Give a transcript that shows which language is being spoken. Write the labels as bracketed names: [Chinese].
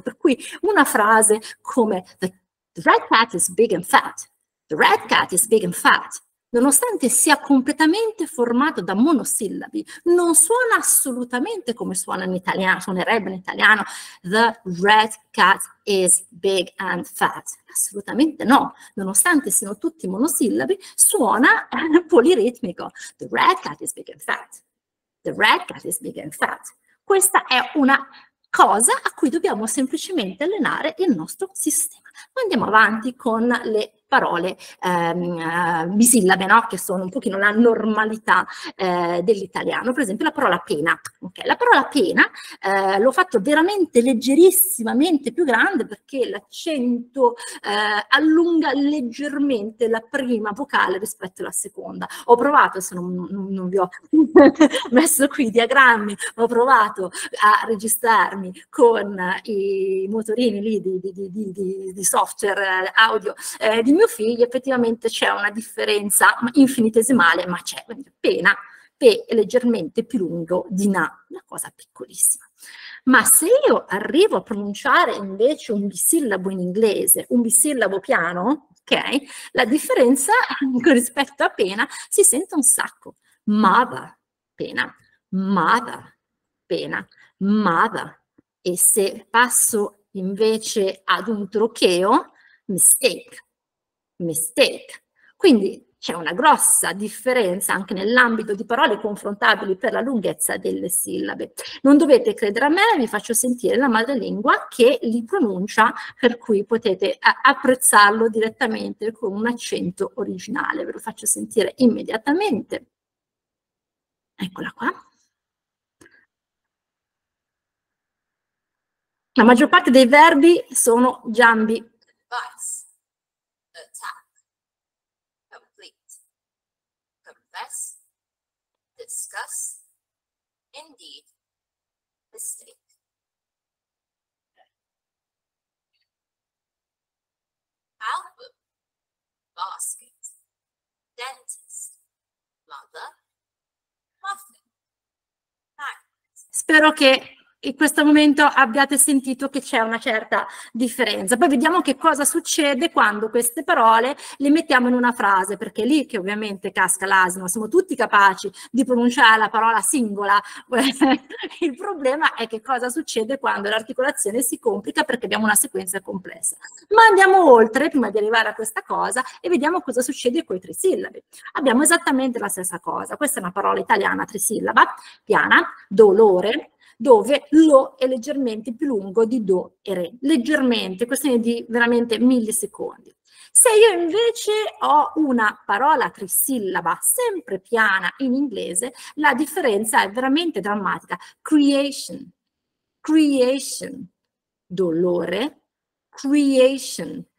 [Italian] Per cui una frase come [English] the red cat is big and fat, [Italian] the red cat is big and fat, nonostante sia completamente formato da monosillabi, non suona assolutamente come suona in italiano, suonerebbe in italiano the red cat is big and fat. Assolutamente no, nonostante siano tutti monosillabi, suona poliritmico. [English] The red cat is big and fat. The red cat is big and fat. [Italian] Questa è una cosa a cui dobbiamo semplicemente allenare il nostro sistema. Andiamo avanti con le parole bisillabe, no? Che sono un pochino la normalità dell'italiano. Per esempio la parola pena, ok? La parola pena l'ho fatto veramente leggerissimamente più grande, perché l'accento allunga leggermente la prima vocale rispetto alla seconda. Ho provato, se non vi ho messo qui i diagrammi, ho provato a registrarmi con i motorini lì di software audio di mio figlio, effettivamente c'è una differenza infinitesimale, ma c'è. Quindi pena, è leggermente più lungo di na, una cosa piccolissima. Ma se io arrivo a pronunciare invece un bisillabo in inglese, un bisillabo piano, ok, la differenza rispetto a pena si sente un sacco. [English] Mother, pena, mother, pena, mother. [Italian] E se passo invece ad un trocheo, [English] mistake, mistake. [Italian] Quindi c'è una grossa differenza anche nell'ambito di parole confrontabili per la lunghezza delle sillabe. Non dovete credere a me, vi faccio sentire la madrelingua che li pronuncia, per cui potete apprezzarlo direttamente con un accento originale. Ve lo faccio sentire immediatamente. Eccola qua. La maggior parte dei verbi sono giambi. [English] Advice, attack, complete, confess, discuss, indeed, mistake. Album, basket, dentist, mother, muffin, bag. [Italian] Spero che in questo momento abbiate sentito che c'è una certa differenza. Poi vediamo che cosa succede quando queste parole le mettiamo in una frase, perché è lì che ovviamente casca l'asino. Siamo tutti capaci di pronunciare la parola singola. Il problema è che cosa succede quando l'articolazione si complica perché abbiamo una sequenza complessa. Ma andiamo oltre, prima di arrivare a questa cosa, e vediamo cosa succede con i trisillabi. Abbiamo esattamente la stessa cosa. Questa è una parola italiana trisillaba, piana, dolore, dove lo è leggermente più lungo di do e re, leggermente, questione di veramente millisecondi. Se io invece ho una parola trisillaba sempre piana in inglese, la differenza è veramente drammatica. [English] Creation, creation, dolore, creation.